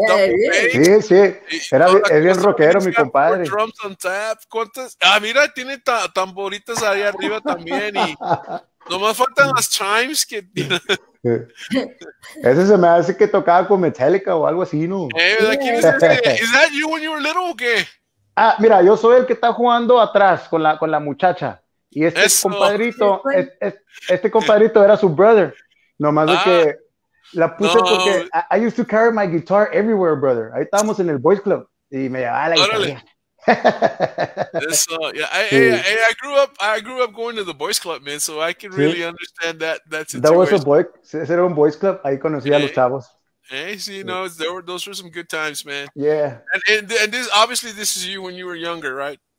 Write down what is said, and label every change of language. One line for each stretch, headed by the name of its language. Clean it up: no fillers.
English: Yeah,
Spanish: sí, sí. Era bien rockero, mi compadre.
English: Drums on tap.
Spanish: ¿Cuántas? Ah, mira, tiene tamboritas ahí arriba también. Y nomás faltan las chimes. Que... Ese se me hace que tocaba con Metallica o algo así, ¿no?
English: ¿Es that you when you were little
Spanish: o qué? Ah, mira, yo soy el que está jugando atrás con la muchacha. Y este eso. Compadrito, este compadrito era su brother. No más de que la puse porque
English: I used to carry my guitar everywhere, brother.
Spanish: Ahí estábamos en el boys club y me llevaba la guitarra.
English: I grew up going to the boys club, man, so I can really understand that situation. That was a boy.
Spanish: Ese era un boys club. Ahí conocí a los chavos.
English: Hey, see, you know, those were some good times, man. Yeah. And this obviously this is you when you were younger, right?